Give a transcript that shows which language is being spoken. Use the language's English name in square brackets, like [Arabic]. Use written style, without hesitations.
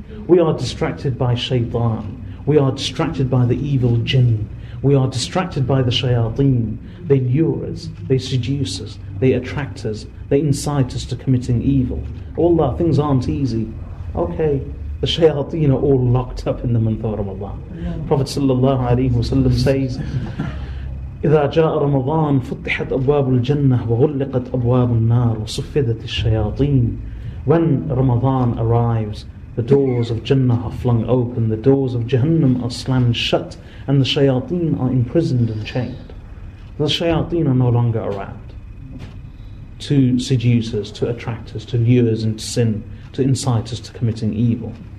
[English] We are distracted by shaitan. We are distracted by the evil jinn. We are distracted by the shayateen. They lure us, they seduce us, they attract us, they incite us to committing evil. Allah, things aren't easy. Okay, the shayateen are all locked up in the month of Ramadan. No. Prophet sallallahu alayhi wa sallam says, [Arabic] إِذَا جَاءَ رَمَضَانَ فُتِّحَتْ أَبْوَابُ الْجَنَّةِ وَغُلِّقَتْ أَبْوَابُ النَّارِ وَصُفِّدَتِ الشَّيَاطِينَ. [English] When Ramadan arrives, the doors of Jannah are flung open, the doors of Jahannam are slammed shut, and the shayateen are imprisoned and chained. The shayateen are no longer around to seduce us, to attract us, to lure us into sin, to incite us to committing evil.